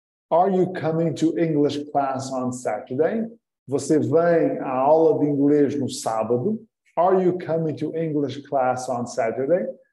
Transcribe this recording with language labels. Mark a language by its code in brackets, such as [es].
[en] Are you coming to English class on Saturday? [pt] Você vem à aula de inglês no sábado? [en] Are you coming to English class on Saturday?